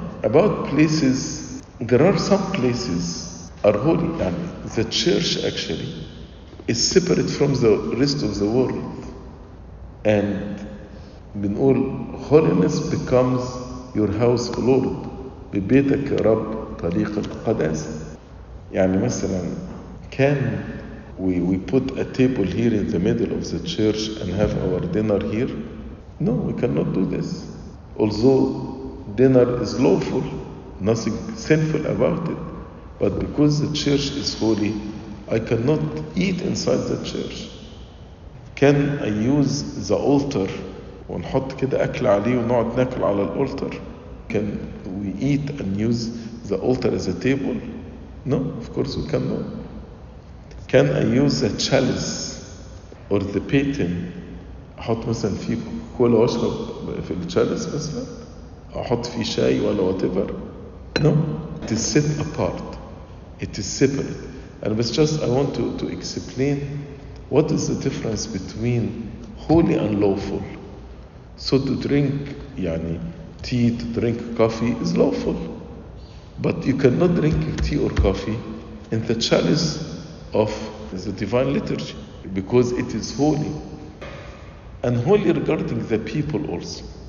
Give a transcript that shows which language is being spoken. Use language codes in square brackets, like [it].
[en] About places, there are some places are holy, and the church actually is separate from the rest of the world, and in all holiness becomes your house, Lord. [ar] ببيتك يا رب طريق القداسة. يعني مثلا, [en] can we put a table here in the middle of the church and have our dinner here? No, we cannot do this. Although dinner is lawful, nothing sinful about it, but because the church is holy, I cannot eat inside the church. Can I use the altar [ar] ونحط كده أكل عليه ونقعد ناكل على الالتر؟ [en] Can we eat and use the altar as a table? No, of course we cannot. Can I use the chalice or the paten? [ar] أحط مثلا في كولا واشرب في الchalice مثلا؟ أحط في شاي ولا [en] whatever? No, it is set apart. It is separate. And it's just, I want to explain what is the difference between holy and lawful. So to drink, يعني, tea, to drink coffee is lawful, but you cannot drink tea or coffee in the chalice of the divine liturgy because it is holy, and holy regarding the people also.